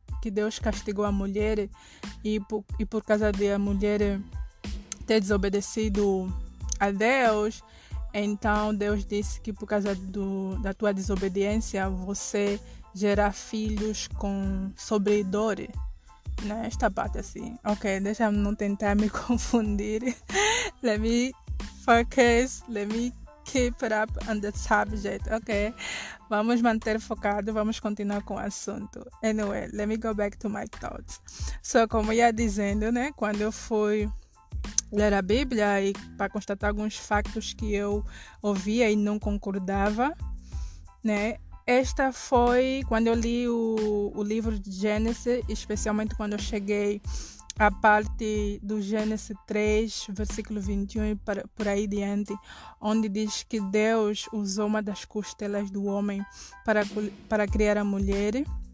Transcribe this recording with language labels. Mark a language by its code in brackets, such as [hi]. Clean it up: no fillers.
[pt] Deus castigou a mulher, e por causa de a mulher ter desobedecido a Deus, então Deus disse que por causa da tua desobediência, você gerar filhos com sobredor, né? Esta parte assim. Ok, deixa eu não tentar me confundir. [en] Let me focus. Let me keep up on the subject. [pt] Ok, vamos manter focado. Vamos continuar com o assunto. [en] Anyway, let me go back to my thoughts. [pt] So, como eu ia dizendo, né? Quando eu fui ler a Bíblia e para constatar alguns factos que eu ouvia e não concordava, né? Esta foi quando eu li o livro de Gênesis, especialmente quando eu cheguei à parte do Gênesis 3, versículo 21 e por aí diante, onde diz que Deus usou uma das costelas do homem para criar a mulher.